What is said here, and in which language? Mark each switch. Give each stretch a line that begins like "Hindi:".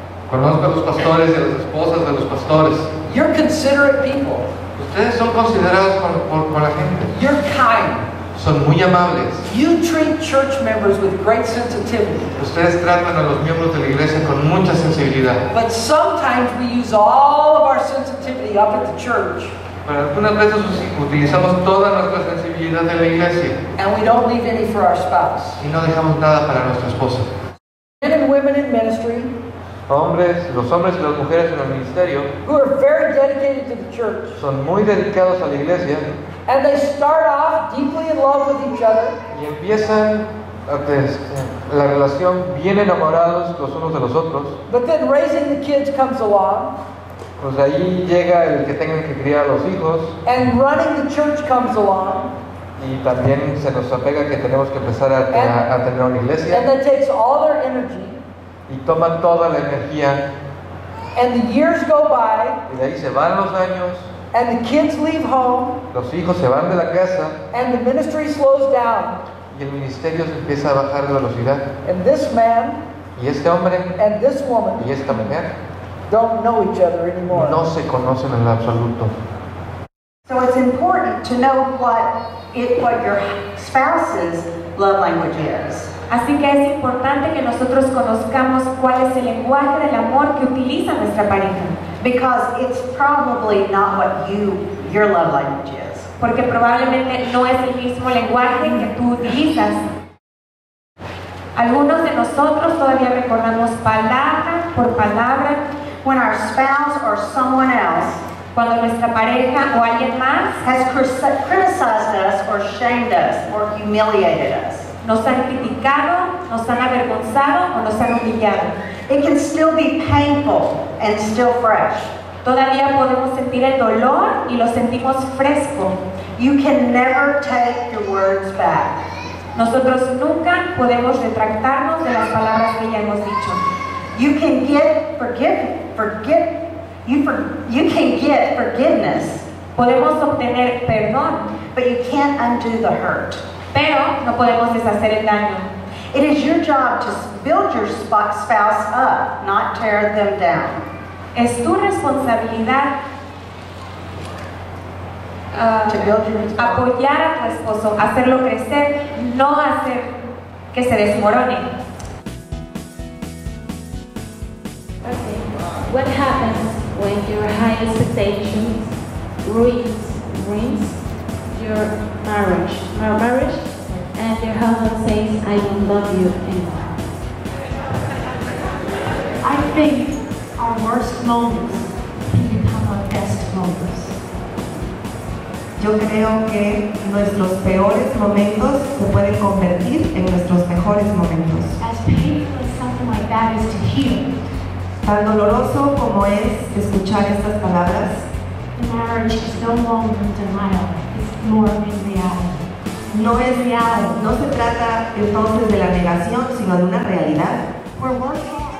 Spanish: Conozco a los pastores y a las esposas de los pastores.
English: You're considerate people.
Spanish: Ustedes son considerados con la gente.
English: You're kind.
Spanish: Son muy amables.
English: You treat church members with great sensitivity.
Spanish: Ustedes tratan a los miembros de la iglesia con mucha sensibilidad.
English: But sometimes we use all of our sensitivity up at the church.
Spanish: Pero algunas veces utilizamos toda nuestra sensibilidad en la iglesia.
English: And we don't leave any for our spouse.
Spanish: Y no dejamos nada para nuestra esposa.
English: Men and women in ministry.
Spanish: Hombres, los hombres y las mujeres en el ministerio.
English: Who are very dedicated to the church.
Spanish: Son muy dedicados a la iglesia.
English: And they start off deeply in love with each other.
Spanish: Y empiezan la relación bien enamorados los unos de los otros.
English: But then raising the kids comes along.
Spanish: Pues ahí llega el que tengan que criar los hijos.
English: And running the church comes along.
Spanish: Y también se nos apega que tenemos que empezar a tener una iglesia.
English: And that takes all their energy.
Spanish: Y toman toda la energía.
English: And the years go by.
Spanish: Y de ahí se van los años.
English: And the kids leave home.
Spanish: Los hijos se van de la casa.
English: And the ministry slows down.
Spanish: Y el ministerio se empieza a bajar de velocidad.
English: And this man.
Spanish: Y este hombre.
English: And this woman.
Spanish: Y esta mujer.
English: Don't know each other anymore.
Spanish: No se conocen en absoluto.
English: So it's important to know what your spouse's love language is.
Spanish: Así que es importante que nosotros conozcamos cuál es el lenguaje del amor que utiliza nuestra pareja.
English: Because it's probably not what your love language is.
Spanish: Porque probablemente no es el mismo lenguaje que tú utilizas. Algunos de nosotros todavía recordamos palabra por palabra
English: when our spouse or someone else
Spanish: cuando nuestra pareja o alguien más
English: has criticized us or shamed us or humiliated us.
Spanish: Nos han criticado, nos han avergonzado o nos han humillado.
English: It can still be painful and still fresh.
Spanish: Todavía podemos sentir el dolor y lo sentimos fresco.
English: You can never take your words back.
Spanish: Nosotros nunca podemos retractarnos de las palabras que ya hemos dicho.
English: You can get forgiveness.
Spanish: Podemos obtener perdón,
English: but you can't undo the hurt.
Spanish: Pero no podemos deshacer el daño.
English: It is your job to build your spouse up, not tear them down.
Spanish: Es tu responsabilidad apoyar a tu esposo, hacerlo crecer, no hacer que se desmorone.
English: Okay. What happens when your highest expectations ruins your marriage, and your husband says, "I don't love you anymore"? I think our worst moments can become our best moments.
Spanish: Yo creo que nuestros peores momentos se pueden convertir en nuestros mejores momentos.
English: As painful as something like that is to hear.
Spanish: Tan doloroso como es escuchar estas palabras.
English: The marriage is no longer denial, it's more than reality.
Spanish: No es real. No se trata entonces de la negación, sino de una realidad.
English: We're working.